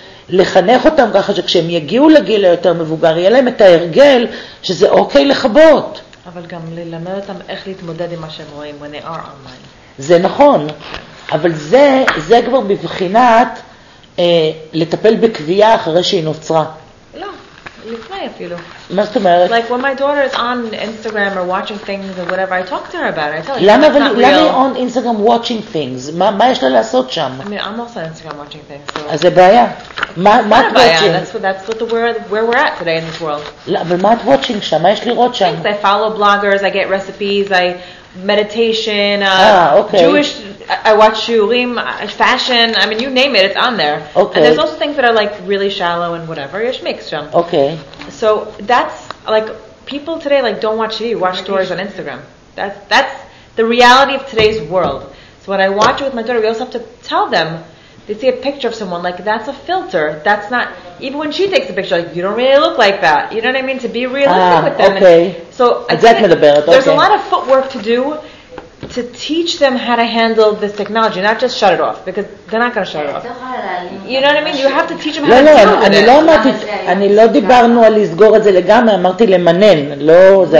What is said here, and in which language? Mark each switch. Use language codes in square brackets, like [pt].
[he] לחנך אותם ככה שכשהם יגיעו לגיל היותר מבוגר, יהיה להם את ההרגל שזה אוקיי לחבות. אבל גם ללמד אותם איך להתמודד עם מה שהם רואים when they are online. זה נכון, אבל זה כבר בבחינת לטפל בקביעה אחרי שהיא נוצרה. לפני אפילו. מה זאת אומרת? [en] Like when my daughter is on Instagram or watching things or whatever, I talk to her about it. למה היא on Instagram watching things? [he] מה יש לה לעשות שם? [en] I mean, I'm also on Instagram watching things. [he] אז זה בעיה. מה את watching? [en] That's where we're at today in this world. [he] אבל מה את watching שם? מה יש לראות שם? [en] Things, I follow bloggers, I get recipes, I meditation, okay. Jewish, I watch shiurim, fashion, I mean, you name it, it's on there. Okay. And there's also things that are like really shallow and whatever, yesh mikstram. Okay. So that's like, people today like don't watch TV, watch stories on Instagram. That's the reality of today's world. So when I watch it with my daughter, we also have to tell them, they see a picture of someone, like that's a filter, that's not, even when she takes a picture, like you don't really look like that, you know what I mean, to be realistic with them. Okay. So exactly. There's a lot of footwork to do to teach them how to handle this technology, not just shut it off, because they're not going to shut it off. You know what I mean? You have to teach them how to deal with it. [he] אני לא דיברנו על לסגור את זה לגמרי, אמרתי למנן, לא זה,